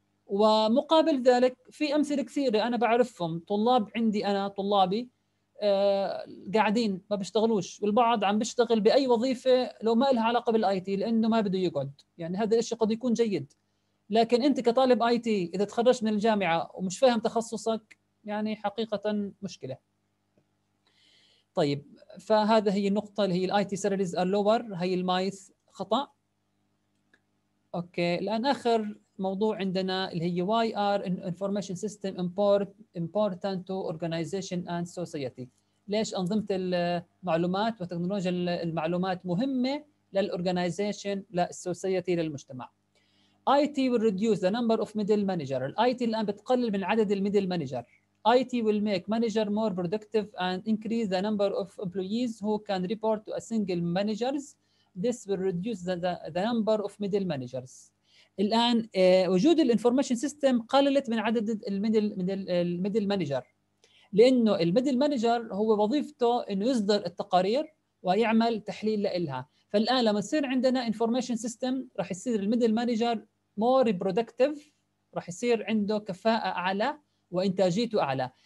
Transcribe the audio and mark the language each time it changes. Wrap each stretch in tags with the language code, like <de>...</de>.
<ar>ومقابل ذلك في أمثلة كثيرة أنا بعرفهم، طلاب عندي أنا، طلابي قاعدين ما بيشتغلوش، والبعض عم بيشتغل بأي وظيفة لو ما إلها علاقة بالآي تي لأنه ما بده يقعد. يعني هذا الشيء قد يكون جيد، لكن أنت كطالب آي تي إذا تخرجت من الجامعة ومش فاهم تخصصك، يعني حقيقة مشكلة. طيب، فهذا هي النقطة اللي هي</ar> <en>الآي T salaries are lower,</en> <ar>هي المايث خطأ. أوكي، الآن آخر موضوع عندنا اللي هي</ar> <en>why are information system important to organization and society.</en> <ar>ليش أنظمة المعلومات وتكنولوجيا المعلومات مهمة للorganization، للsociety، للمجتمع.</ar> <en>IT will reduce the number of middle manager.</en> <ar>IT الآن بتقلل من عدد middle manager.</ar> <en>IT will make manager more productive and increase the number of employees who can report to a single managers. This will reduce the number of middle managers.</en> <ar>الآن وجود الانفورميشن سيستم قللت من عدد الميدل مانجر، لأنه الميدل مانجر هو وظيفته أنه يصدر التقارير ويعمل تحليل لإلها. فالآن لما يصير عندنا انفورميشن سيستم راح يصير الميدل مانجر مور بروداكتيف، راح يصير عنده كفاءة أعلى وإنتاجيته أعلى.</ar>